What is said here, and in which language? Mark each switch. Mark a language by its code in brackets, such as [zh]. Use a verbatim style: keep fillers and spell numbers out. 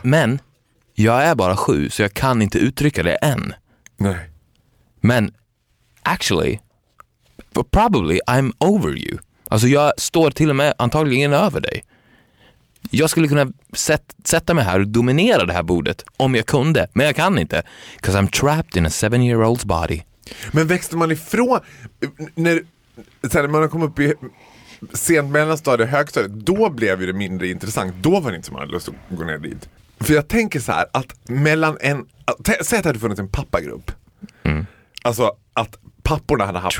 [sv] men jag är bara sju så jag kan inte uttrycka det än. Nej. Men [en] actually, probably I'm over you. [sv] Alltså jag står till och med antagligen över dig. Jag skulle kunna sätt, sätta mig här och dominera det här bordet om jag kunde, men jag kan inte. [en] 'Cause I'm trapped in a seven-year-old's body. [sv] Men växte man ifrån när, när man kom upp i sent mellanstadiet, högstadiet, då blev det mindre intressant. Då var det inte som man hade lust att gå ner dit. För jag tänker så här att mellan en t- säg att det hade funnits en pappagrupp. Mm. Alltså att papporna hade haft